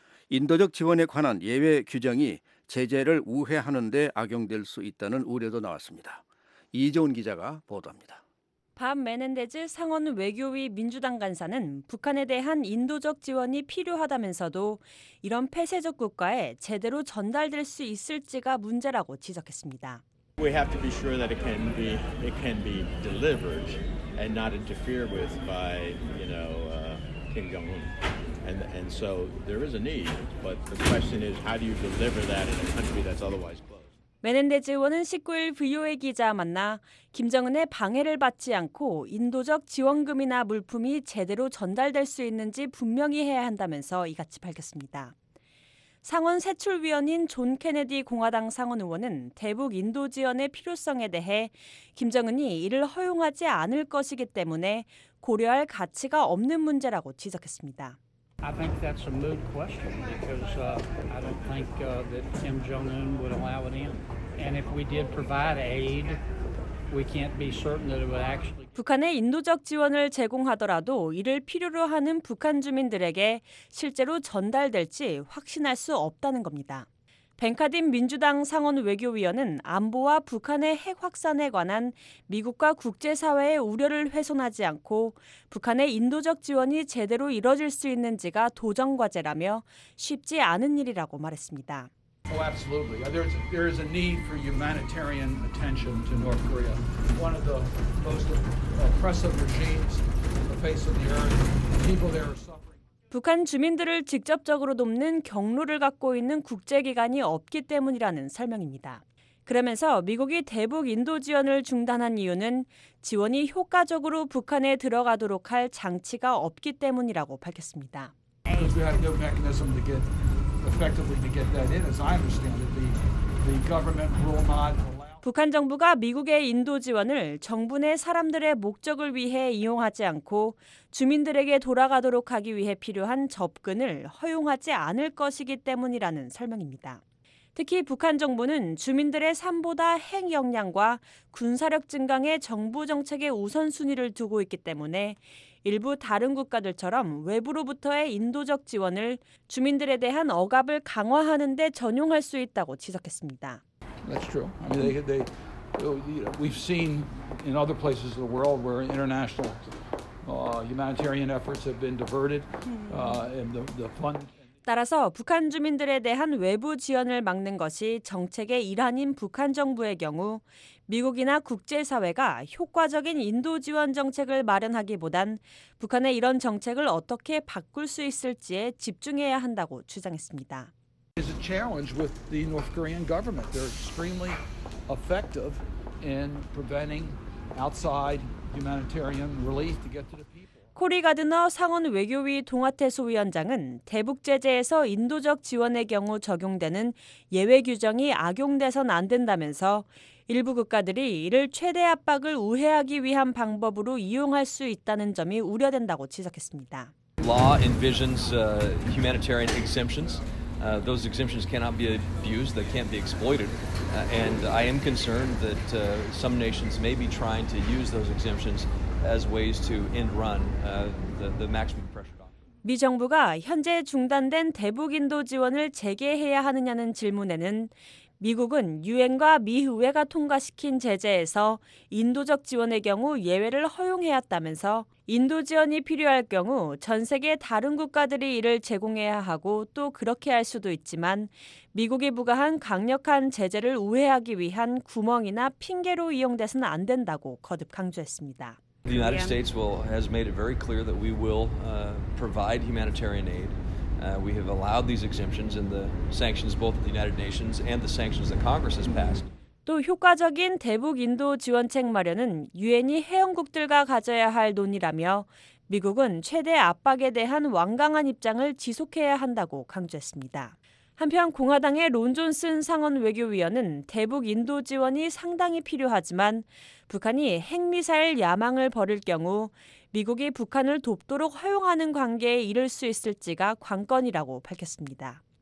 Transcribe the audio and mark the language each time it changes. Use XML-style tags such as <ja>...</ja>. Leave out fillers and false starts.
<ko>인도적 지원에 관한 예외 규정이 제재를 우회하는 데 악용될 수 있다는 우려도 나왔습니다. 이재훈 기자가 보도합니다. 밥 메넨데즈 상원 외교위 민주당 간사는 북한에 대한 인도적 지원이 필요하다면서도 이런 폐쇄적 국가에 제대로 전달될 수 있을지가 문제라고 지적했습니다.</ko> <en>We have to be sure that it can be delivered and not interfered with by, you know, Kim Jong-un. And so there is a need, but the question is how do you deliver that in a country that's otherwise closed?</en> <ko>메넨데즈 의원은 19일 VOA 기자 만나 김정은의 방해를 받지 않고 인도적 지원금이나 물품이 제대로 전달될 수 있는지 분명히 해야 한다면서 이같이 밝혔습니다. 상원 세출위원인 존 케네디 공화당 상원 의원은 대북 인도 지원의 필요성에 대해 김정은이 이를 허용하지 않을 것이기 때문에 고려할 가치가 없는 문제라고 지적했습니다.</ko> <en>I think that's a moot question because I don't think that Kim Jong-un would allow it in. And if we did provide aid, we can't be certain that it would actually.</en> <ko>북한에 인도적 지원을 제공하더라도 이를 필요로 하는 북한 주민들에게 실제로 전달될지 확신할 수 없다는 겁니다. 벤카딘 민주당 상원 외교위원은 안보와 북한의 핵 확산에 관한 미국과 국제사회의 우려를 훼손하지 않고 북한의 인도적 지원이 제대로 이뤄질 수 있는지가 도전 과제라며 쉽지 않은 일이라고 말했습니다.</ko> <en>Oh, absolutely. There is a need for humanitarian attention to North Korea. One of the most oppressive regimes on the face of the earth. People there are suffering.</en> <ko>북한 주민들을 직접적으로 돕는 경로를 갖고 있는 국제기관이 없기 때문이라는 설명입니다. 그러면서 미국이 대북 인도 지원을 중단한 이유는 지원이 효과적으로 북한에 들어가도록 할 장치가 없기 때문이라고 밝혔습니다.</ko> <en>We have no mechanism to get effectively to get that in, as I understand it. The government will not.</en> <ko>북한 정부가 미국의 인도 지원을 정부 내 사람들의 목적을 위해 이용하지 않고 주민들에게 돌아가도록 하기 위해 필요한 접근을 허용하지 않을 것이기 때문이라는 설명입니다. 특히 북한 정부는 주민들의 삶보다 핵 역량과 군사력 증강에 정부 정책의 우선순위를 두고 있기 때문에 일부 다른 국가들처럼 외부로부터의 인도적 지원을 주민들에 대한 억압을 강화하는 데 전용할 수 있다고 지적했습니다.</ko> <en>That's true. I mean, they you know, we've seen in other places of the world where international humanitarian efforts have been diverted, and the fund.</en> <ko>따라서 북한 주민들에 대한 외부 지원을 막는 것이 정책의 일환인 북한 정부의 경우 미국이나 국제사회가 효과적인 인도 지원 정책을 마련하기보단 북한의 이런 정책을 어떻게 바꿀 수 있을지에 집중해야 한다고 주장했습니다.</ko> <en>Is a challenge with the North Korean government. They're extremely effective in preventing outside humanitarian relief to get to the people.</en> <ko>코리 가드너 상원 외교위 동아태소 위원장은 대북 제재에서 인도적 지원의 경우 적용되는 예외 규정이 악용돼선 안 된다면서 일부 국가들이 이를 최대 압박을 우회하기 위한 방법으로 이용할 수 있다는 점이 우려된다고 지적했습니다.</ko> <en>Law envisions humanitarian exemptions. Those exemptions cannot be abused, they can't be exploited. And I am concerned that some nations may be trying to use those exemptions as ways to end run the maximum pressure.</en> <ko>미 정부가 현재 중단된 대북 인도 지원을 재개해야 하느냐는 질문에는 미국은 유엔과 미 의회가 통과시킨 제재에서 인도적 지원의 경우 예외를 허용해왔다면서 인도 지원이 필요할 경우 전 세계 다른 국가들이 이를 제공해야 하고 또 그렇게 할 수도 있지만 미국이 부과한 강력한 제재를 우회하기 위한 구멍이나 핑계로 이용돼서는 안 된다고 거듭 강조했습니다.</ko> <en>The United States has made it very clear that we will provide humanitarian aid. We have allowed these exemptions in the sanctions both of the United Nations and the sanctions that Congress has passed.</en> <ko>또 효과적인 대북 인도 지원책 마련은 유엔이 회원국들과 가져야 할 논의라며 미국은 최대 압박에 대한 완강한 입장을 지속해야 한다고 강조했습니다. 한편 공화당의 론 존슨 상원 외교위원은 대북 인도 지원이 상당히 필요하지만 북한이 핵미사일 야망을 벌일 경우 미국이 북한을 돕도록 허용하는 관계에 이를 수 있을지가 관건이라고 밝혔습니다.</ko>